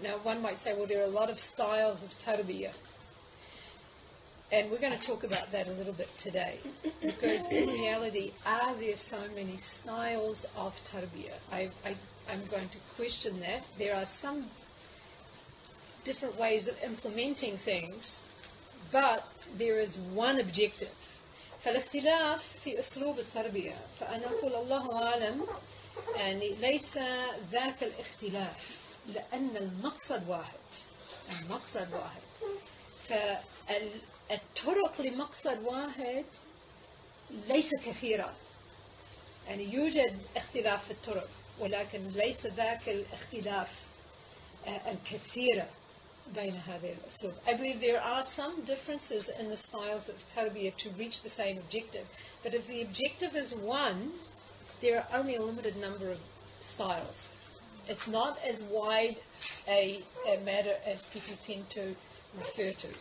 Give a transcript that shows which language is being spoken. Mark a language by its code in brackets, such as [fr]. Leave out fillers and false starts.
[en] Now one might say, well, there are a lot of styles of tarbiyah. And we're going to talk about that a little bit today. Because in reality, are there so many styles of tarbiyah? I'm going to question that. There are some different ways of implementing things, but there is one objective. [ar] فالاختلاف في أسلوب التربية فأنا أقول الله أعلم أن ليس ذاك الاختلاف لأن المقصد واحد. المقصد واحد. فالطرق لمقصد واحد ليس كثيرة. يعني يوجد اختلاف في الطرق. ولكن ليس ذاك الاختلاف الكثير بين هذه الأسلوب. [en] I believe there are some differences in the styles of tarbiyah to reach the same objective. But if the objective is one, there are only a limited number of styles. It's not as wide a matter as people tend to refer to.